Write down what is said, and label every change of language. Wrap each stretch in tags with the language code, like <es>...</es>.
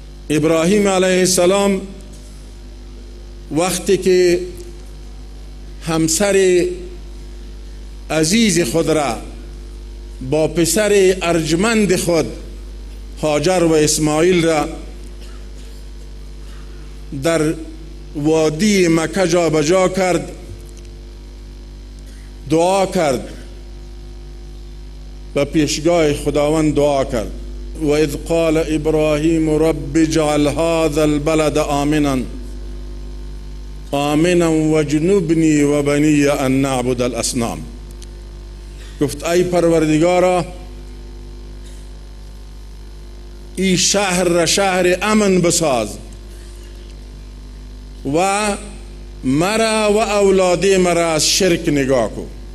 <fa>ابراهیم علیه السلام وقتی که همسر عزیز خود را با پسر ارجمند خود هاجر و اسماعیل را در وادی مکه جا بجا کرد، دعا کرد و پیشگاه خداوند دعا کرد.</fa> <ar>و اذ قال ابراهیم رب اجعل هذا البلد آمنا واجنبني وبني ان نعبد الاصنام.</ar> <fa>گفت ای پروردگارا، ای شهر را شهر امن بساز و مرا و اولادی مرا از شرک نگاه کن.</fa>